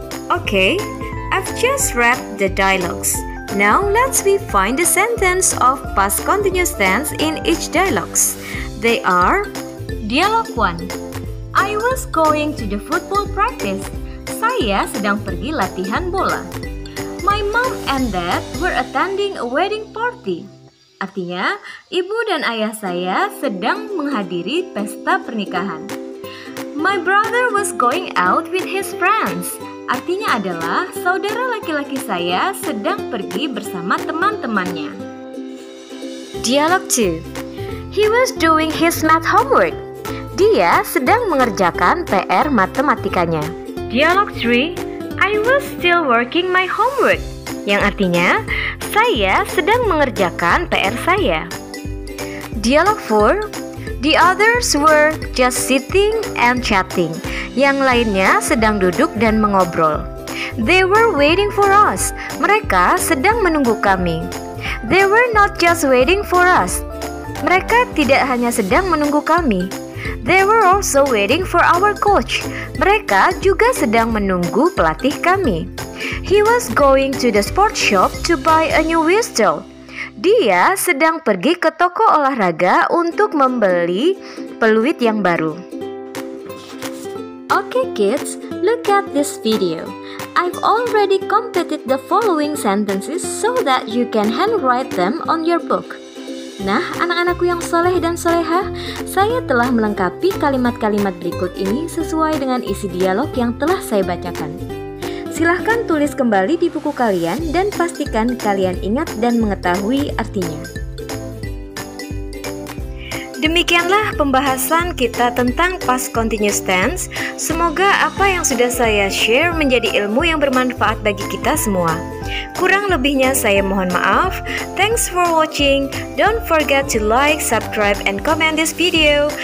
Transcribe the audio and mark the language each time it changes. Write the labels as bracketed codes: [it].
[en] Okay, I've just read the dialogues. Now let's find the sentence of past continuous tense in each dialogues. They are Dialogue 1. I was going to the football practice. [id] Saya sedang pergi latihan bola. [en] My mom and dad were attending a wedding party. [id] Artinya, ibu dan ayah saya sedang menghadiri pesta pernikahan. [en] My brother was going out with his friends. [id] Artinya adalah saudara laki-laki saya sedang pergi bersama teman-temannya. [en] Dialogue 2. He was doing his math homework. [id] Dia sedang mengerjakan PR matematikanya. [en] Dialogue 3. I was still working my homework. [id] Yang artinya, saya sedang mengerjakan PR saya. [en] Dialogue 4. The others were just sitting and chatting. Yang lainnya sedang duduk dan mengobrol. They were waiting for us. Mereka sedang menunggu kami. They were not just waiting for us. Mereka tidak hanya sedang menunggu kami. They were also waiting for our coach. Mereka juga sedang menunggu pelatih kami. He was going to the sports shop to buy a new whistle. [id] Dia sedang pergi ke toko olahraga untuk membeli peluit yang baru. [en] Okay kids, look at this video. I've already completed the following sentences so that you can handwrite them on your book. [id] Nah, anak-anakku yang soleh dan solehah, saya telah melengkapi kalimat-kalimat berikut ini sesuai dengan isi dialog yang telah saya bacakan. Silahkan tulis kembali di buku kalian dan pastikan kalian ingat dan mengetahui artinya. Demikianlah pembahasan kita tentang past continuous tense. Semoga apa yang sudah saya share menjadi ilmu yang bermanfaat bagi kita semua. Kurang lebihnya saya mohon maaf. Thanks for watching. [en] Don't forget to like, subscribe, and comment this video.